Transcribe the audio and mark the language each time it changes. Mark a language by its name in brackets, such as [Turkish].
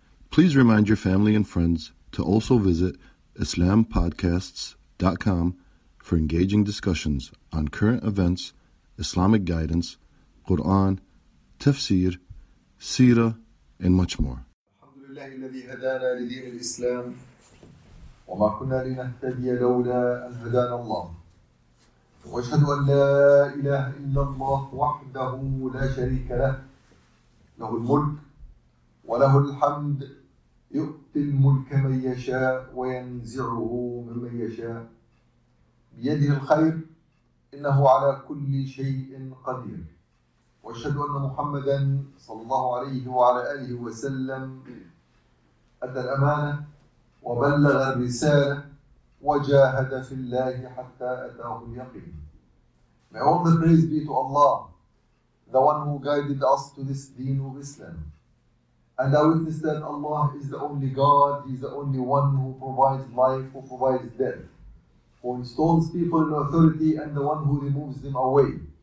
[English] Please remind your family and friends to also visit IslamPodcasts.com for engaging discussions on current events, Islamic guidance, Quran, tafsir, seerah, and much more. [Arabic] الله الذي هدانا لدين الإسلام وما كنا لنهتدي لولا أن هدانا الله وأشهد أن لا إله إلا الله وحده لا شريك له له الملك وله الحمد يؤتي الملك من يشاء وينزعه ممن يشاء بيده الخير إنه على كل شيء قدير وأشهد أن محمدا صلى الله عليه وعلى آله وسلم أدى الأمانة وبلغ الرسالة وجاهد في الله حتى أتاه اليقين. [English] May all the praise be to Allah, the one who guided us to this deen of Islam. And I witness that Allah is the only God, He is the only one who provides life, who provides death, who installs people in authority and the one who removes them away.